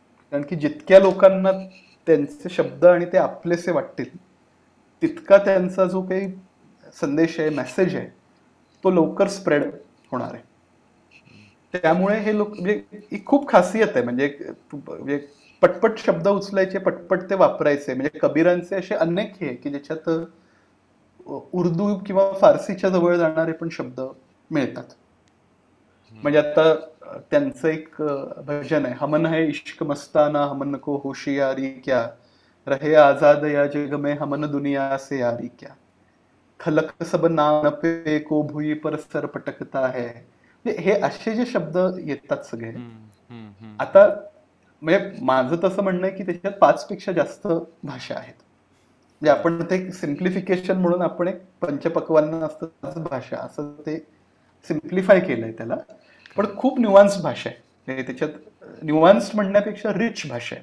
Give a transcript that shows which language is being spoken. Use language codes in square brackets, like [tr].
[mr] कारण की जितक्या लोकांना त्यांचे शब्द आणि ते आपलेसे वाटतील तितका त्यांचा जो काही संदेश आहे, मेसेज आहे, तो लवकर स्प्रेड होणार आहे. त्यामुळे हे लोक म्हणजे ही खूप खासियत आहे. म्हणजे पटपट शब्द उचलायचे, पटपट ते वापरायचे. म्हणजे कबीरांचे असे अनेक हे की ज्याच्यात उर्दू किंवा फारसीच्या जवळ जाणारे पण शब्द मिळतात. म्हणजे आता त्यांचं एक भजन आहे, [hi] हमन है इश्क मस्ताना हमन को होशियारी क्या, रहे आजाद या जग में हमन दुनिया से यारी क्या, खलक सब नान पे को भुई पर सर पटकता है. [mr] हे असे जे शब्द येतात सगळे. आता म्हणजे माझं तसं म्हणणं आहे की त्याच्यात 5 पेक्षा जास्त भाषा आहेत. म्हणजे आपण ते सिम्प्लिफिकेशन म्हणून आपण एक पंचपक्वान्न असतात भाषा असं ते सिम्प्लिफाय केलंय त्याला. पण खूप न्युआन्स भाषा आहे त्याच्यात. न्युआन्स म्हणण्यापेक्षा रिच भाषा आहे.